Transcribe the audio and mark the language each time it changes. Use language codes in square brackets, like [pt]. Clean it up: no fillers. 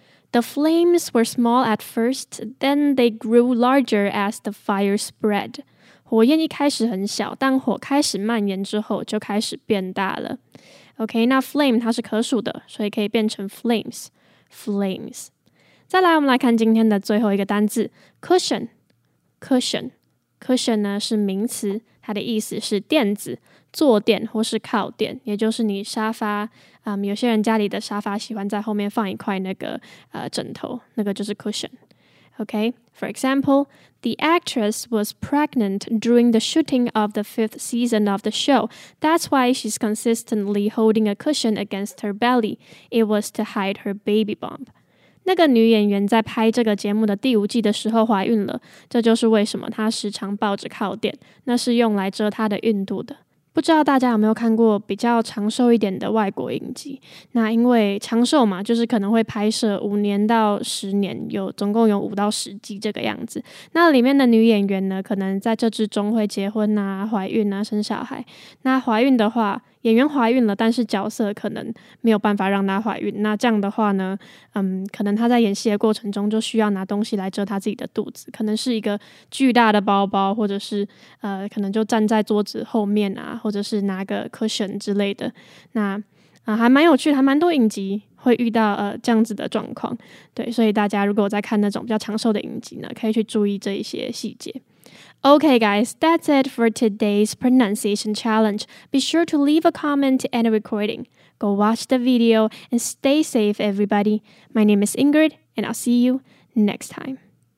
[en] The flames were small at first, then they grew larger as the fire spread. [zh] 火焰一开始很小，但火开始蔓延之后就开始变大了。 OK, 那 flame 它是可数的，所以可以变成 flames。再来我们来看今天的最后一个单字， cushion 呢是名词，它的意思是垫子、坐垫或是靠垫，也就是你沙发有些人家里的沙发喜欢在后面放一块那个枕头，那个就是 cushion。 [en] OK, for example, the actress was pregnant during the shooting of the fifth season of the show. That's why she's consistently holding a cushion against her belly. It was to hide her baby bump. [zh] 那个女演员在拍这个节目的第五季的时候怀孕了，这就是为什么她时常抱着靠垫，那是用来遮她的孕肚的。不知道大家有没有看过比较长寿一点的外国影集，那因为长寿嘛，就是可能会拍摄5年到10年，有总共有5到10季这个样子。那里面的女演员呢，可能在这之中会结婚啊、怀孕啊、生小孩。那怀孕的话，演员怀孕了，但是角色可能没有办法让她怀孕，那这样的话呢，可能她在演戏的过程中就需要拿东西来遮她自己的肚子，可能是一个巨大的包包，或者是可能就站在桌子后面啊，或者是拿个 cushion 之类的。那还蛮有趣的，还蛮多影集会遇到这样子的状况。对，所以大家如果在看那种比较长寿的影集呢，可以去注意这一些细节。 [en] Okay guys, that's it for today's pronunciation challenge. Be sure to leave a comment and a recording. Go watch the video and stay safe, everybody. My name is Ingrid, and I'll see you next time.